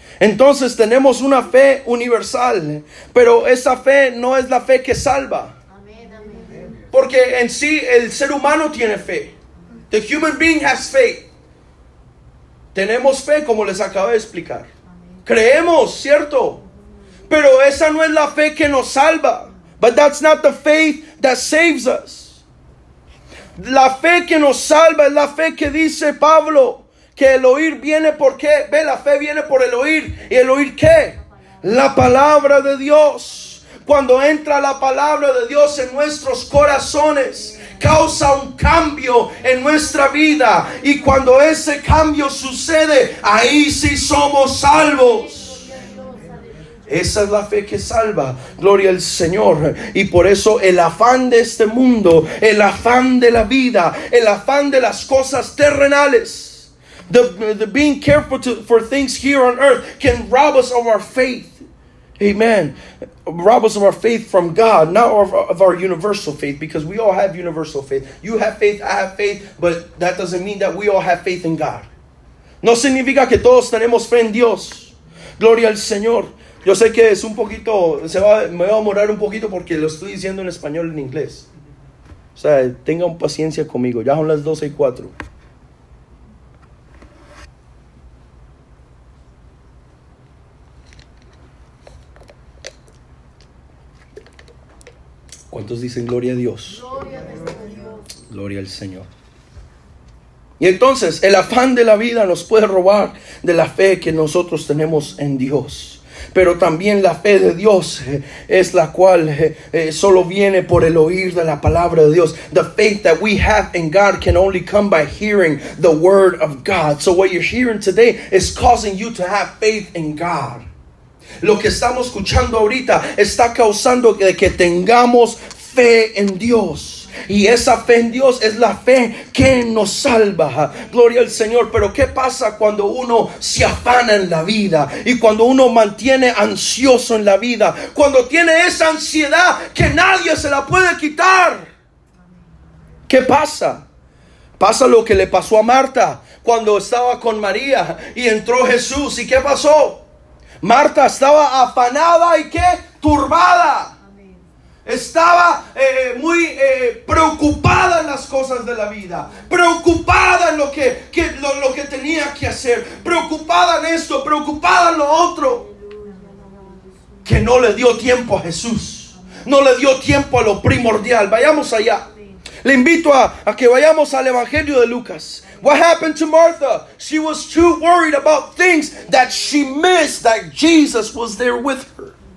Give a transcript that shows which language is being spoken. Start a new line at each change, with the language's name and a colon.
Spanish: Entonces tenemos una fe universal, pero esa fe no es la fe que salva. Porque en sí el ser humano tiene fe.
English: The human being has faith.
Spanish: Tenemos fe, como les acabo de explicar. Creemos, ¿cierto? Pero esa no es la fe que nos salva.
English: But that's not the faith that saves us.
Spanish: La fe que nos salva es la fe que dice Pablo, que el oír viene por qué. Ve, la fe viene por el oír. ¿Y el oír qué? La palabra de Dios. Cuando entra la palabra de Dios en nuestros corazones, causa un cambio en nuestra vida. Y cuando ese cambio sucede, ahí sí somos salvos. Esa es la fe que salva. Gloria al Señor. Y por eso el afán de este mundo, el afán de la vida, el afán de las cosas terrenales,
English: the being careful for things here on earth can rob us of our faith.
Spanish: Amen.
English: Rob us of our faith from God, not of our universal faith, because we all have universal faith. You have faith, I have faith, but that doesn't mean that we all have faith in God.
Spanish: No significa que todos tenemos fe en Dios. Gloria al Señor. Yo sé que es un poquito, me voy a morar un poquito porque lo estoy diciendo en español y en inglés. O sea, tengan paciencia conmigo. Ya son las 12:04. ¿Cuántos dicen gloria a Dios? Gloria al Señor. Y entonces, el afán de la vida nos puede robar de la fe que nosotros tenemos en Dios. Pero también la fe de Dios es la cual solo viene por el oír de la palabra de Dios.
English: The faith that we have in God can only come by hearing the word of God. So what you're hearing today is causing you to have faith in God.
Spanish: Lo que estamos escuchando ahorita está causando que tengamos fe en Dios. Y esa fe en Dios es la fe que nos salva. Gloria al Señor. Pero ¿qué pasa cuando uno se afana en la vida? Y cuando uno mantiene ansioso en la vida. Cuando tiene esa ansiedad que nadie se la puede quitar. ¿Qué pasa? Pasa lo que le pasó a Marta cuando estaba con María y entró Jesús. ¿Y qué pasó? Marta estaba afanada y ¿qué? Turbada. Estaba muy preocupada en las cosas de la vida. Preocupada en lo que tenía que hacer. Preocupada en esto, preocupada en lo otro. Que no le dio tiempo a Jesús. No le dio tiempo a lo primordial. Vayamos allá. Le invito a que vayamos al Evangelio de Lucas.
English: What happened to Martha? She was too worried about things that she missed that Jesus was there with her.